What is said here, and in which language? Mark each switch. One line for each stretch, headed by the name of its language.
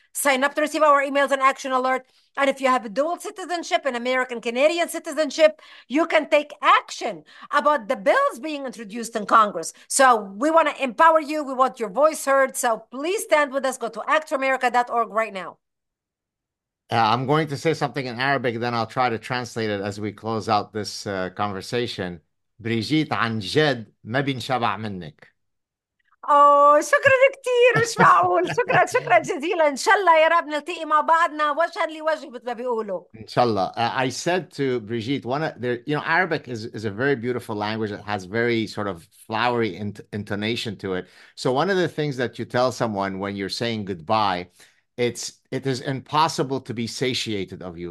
English: Sign up to receive our emails and action alert. And if you have a dual citizenship, an American Canadian citizenship, you can take action about the bills being introduced in Congress. So we want to empower you. We want your voice heard. So please stand with us. Go to actforamerica.org right now. I'm going to say something in Arabic, then I'll try to translate it as we close out this conversation.
Arabic: Brigitte, عن جد ما بنشبع منك. أوه شكرا كتير مش معقول شكرا شكرا جزيلا إن شاء الله يا رب نلتقي مع بعضنا وجها لوجه مثل ما بيقولوا إن شاء الله.
English: I said to Brigitte, you know, Arabic is a very beautiful language. It has very sort of flowery intonation to it. So one of the things that you tell someone when you're saying goodbye, it is impossible to be satiated of you.